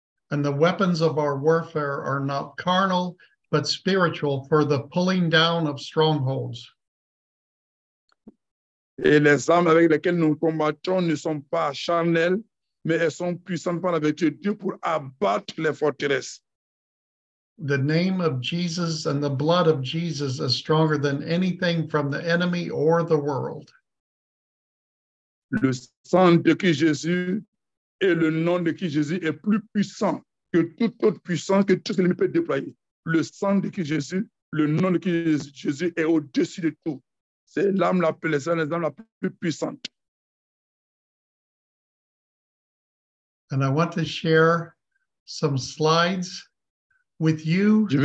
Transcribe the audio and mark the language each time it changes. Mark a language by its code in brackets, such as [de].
[en] And the weapons of our warfare are not carnal, but spiritual, for the pulling down of strongholds. [fr] Et les armes avec lesquelles nous combattons ne sont pas charnelles, mais elles sont puissantes par la vertu de Dieu pour abattre les forteresses. The name of Jesus and the blood of Jesus is stronger than anything from the enemy or the world. Le sang de Christ Jésus et le nom de Christ Jésus est plus puissant que toute autre puissance que tout l'ennemi peut déployer. Le sang de Christ Jésus, le nom de Christ Jésus est au-dessus de tout. C'est l'âme la plus, l'âme la plus puissante. [en] And I want to share some slides with you